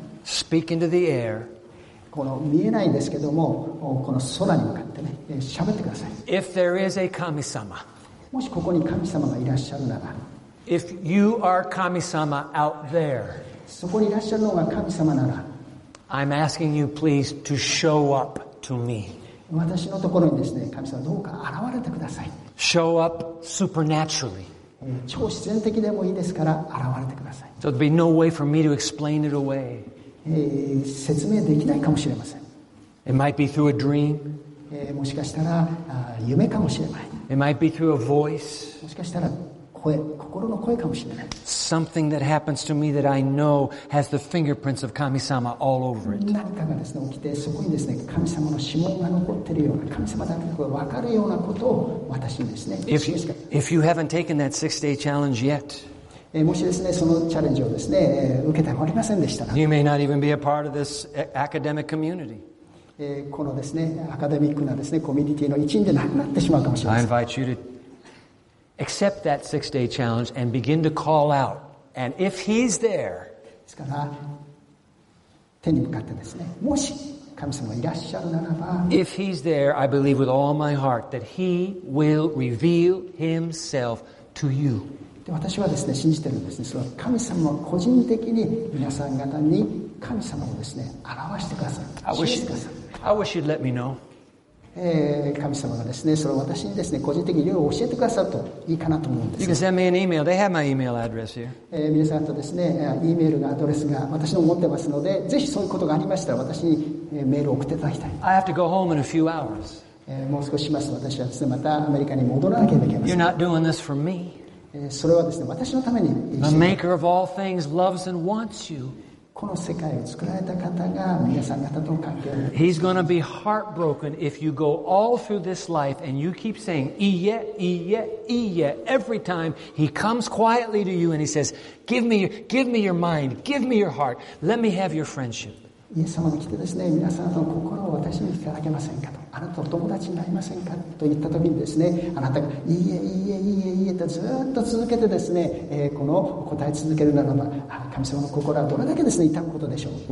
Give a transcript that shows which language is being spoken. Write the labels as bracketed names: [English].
[English] Speak into the air. [Japanese] この見えないんですけどもこの空に向かってね喋ってください。 [English] If there is a 神様、 [Japanese] もしここに神様がいらっしゃるなら、 [English] If you are 神様 out there、 [Japanese] そこにいらっしゃるのが神様なら、 [English] I'm asking you please to show up to me。 [Japanese] 私のところにですね、神様どうか現れてください。 [English] Show up supernaturally。 [Japanese] 超自然的でもいいですから現れてください。 [English] So there'd be no way for me to explain it away。 [Japanese] 説明できないかもしれません。 [English] It might be through a dream. [Japanese] もしかしたら夢かもしれない。 [English] It might be through a voice. [Japanese] もしかしたら声、心の声かもしれない。 [English] Something that happens to me that I know has the fingerprints of Kami-sama all over it. [Japanese] 何かがですね、起きてそこにですね、神様の指紋が残ってるような、神様だけが分かるようなことを私にですね、 [English] If you haven't taken that six-day challenge yet. [Japanese] もしですね、そのチャレンジをですね、受けておりませんでしたら、 [English] You may not even be a part of this academic community. [Japanese] このですね、アカデミックなですね、コミュニティの一員でなくなってしまうかもしれません。 [English] I invite you to accept that six-day challenge and begin to call out. And if he's there, [Japanese] ですから、手に向かってですね、もし神様がいらっしゃるならば、 [English] If he's there, I believe with all my heart that he will reveal himself to you. [Japanese] で私はですね、信じてるんですね。その神様は個人的に皆さん方に神様をですね、表してください。 [English] I wish you'd let me know. [Japanese] 神様がですね、それを私にですね、個人的にいろいろ教えてくださるといいかなと思うんです。 [English] You can send me an email. They have my email address here. [Japanese] 皆さんとですね、E メールがアドレスが私の持ってますので、ぜひそういうことがありましたら私にメールを送っていただきたい。 I have to go home in a few hours. もう少しします。私はですね、またアメリカに戻らなければいけません。 [English] You're not doing this for me. [Japanese] それはですね、私のために。 [English] The maker of all things loves and wants you. [Japanese] この世界を作られた方が皆さん方との関係。 [English] He's going to be heartbroken if you go all through this life and you keep saying, [Japanese] Iye, Iye, Iye, [English] every time he comes quietly to you and he says, give me your mind, give me your heart, let me have your friendship. [Japanese] イエス様が来てですね、皆さんの心を私にいただけませんかと、あなたと友達になりませんかと言った時にですね、あなたがいいえいいえいいえいいえとずっと続けてですね、この答え続けるならば、神様の心はどれだけですね痛むことでしょう。